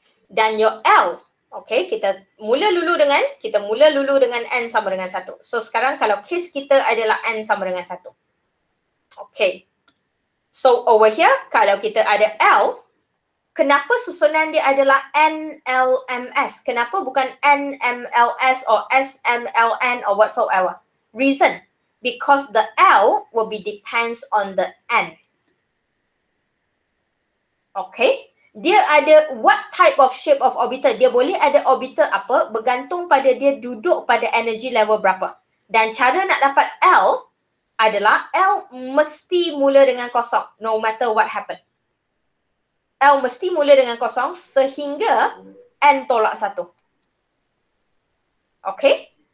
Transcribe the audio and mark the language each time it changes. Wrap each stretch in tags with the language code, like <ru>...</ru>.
<ms>Dan your L, okay, kita mula dulu dengan N sama dengan 1. So sekarang kalau case kita adalah N sama dengan 1. Okay. So over here, kalau kita ada L, kenapa susunan dia adalah NLMS? Kenapa bukan NMLS or SMLN or whatsoever?</ms> <en>Reason, because the L will be depends on the N. Okay,</en> <ms>dia ada</ms> <en>what type of shape of orbital?</en> <ms>Dia boleh ada orbital apa bergantung pada dia duduk pada energy level berapa. Dan cara nak dapat L adalah L mesti mula dengan kosong</ms> <en>no matter what happen.</en> <ms>L mesti mula dengan kosong sehingga N tolak satu. Okay?</ms>